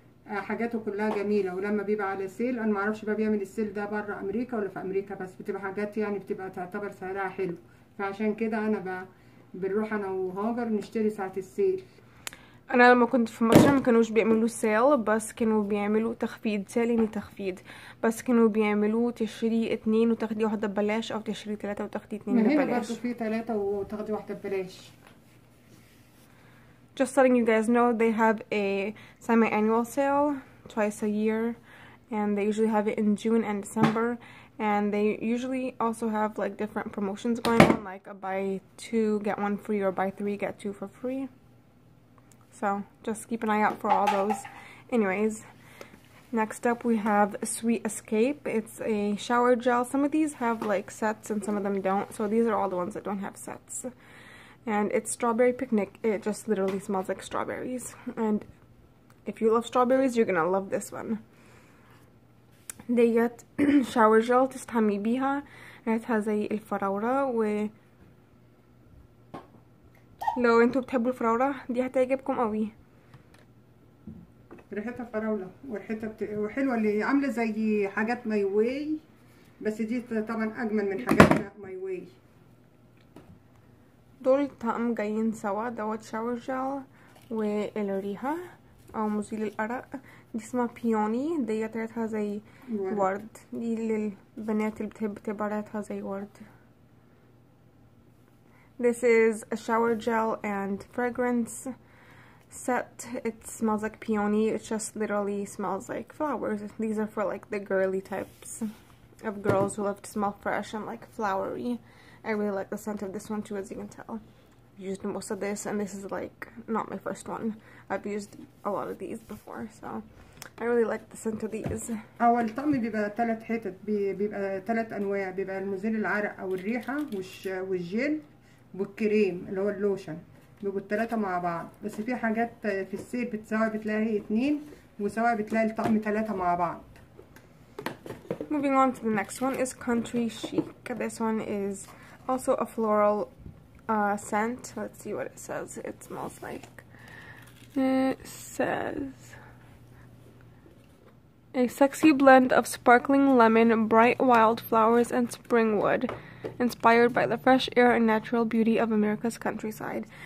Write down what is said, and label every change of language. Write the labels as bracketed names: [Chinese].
[Arabic] حاجاته كلها جميلة، ولما بيبقى على سيل، انا معرفش بقى بيعمل السيل ده بره امريكا ولا في امريكا، بس بتبقى حاجات يعني بتبقى تعتبر سعرها حلو، فعشان كده انا بنروح انا وهاجر نشتري ساعة السيل. انا لما كنت في مصر ما كانوش بيعملوا سيل، بس كانوا بيعملوا تخفيض. سيل يعني تخفيض، بس كانوا بيعملوا تشتري اتنين وتاخدي واحدة ببلاش، او تشتري تلاتة وتاخدي اتنين من هنا ببلاش. برضو في 3 وتاخدي واحدة ببلاش. [English] Just letting you guys know they have a semi-annual sale twice a year, and they usually have it in June and December, and they usually also have like different promotions going on, like a buy two get one free or buy three get two for free. So just keep an eye out for all those. Anyways, next up we have Sweet Escape. It's a shower gel. Some of these have like sets and some of them don't, so these are all the ones that don't have sets. And it's strawberry picnic. It just literally smells like strawberries. And if you love strawberries, you're gonna love this one. They get shower gel to tami biha. And it has a [Arabic] الفراوره و لو انتوا بتحبوا الفراوله دي هتعجبكم قوي. ريحتها فراوله وريحتها وحلوه، اللي عامله زي حاجات ماي واي، بس دي طبعا اجمل من حاجات ماي واي. دول طقم جايين سوا، دوت شاور جل والريحة أو مزيل الأرق. دي اسمها بيوني، دي ريحتها زي ورد. دي للبنات اللي بتحب تبقى ريحتها زي ورد. [English] This is a shower gel and fragrance set. It smells like peony. It just literally smells like flowers. These are for like the girly types of girls who love to smell fresh and like flowery. I really like the scent of this one too, as you can tell. I've used most of this, and this is like not my first one. I've used a lot of these before, so I really like the scent of these. [Arabic] أول طقم بيبقى ثلاث حتت، بيبقى ثلاث أنواع، بيبقى المزيل العرق أو الريحة والجيل والكريم اللي هو اللوشن، بيبقوا الثلاثة مع بعض. بس في حاجات في السيل بتساوي بتلاقي اتنين، وساوي بتلاقي الطقم ثلاثة مع بعض. [English] Moving on to the next one is Country Chic. This one is also a floral scent. Let's see what it says. It smells like. It says a sexy blend of sparkling lemon, bright wildflowers, and spring wood, inspired by the fresh air and natural beauty of America's countryside.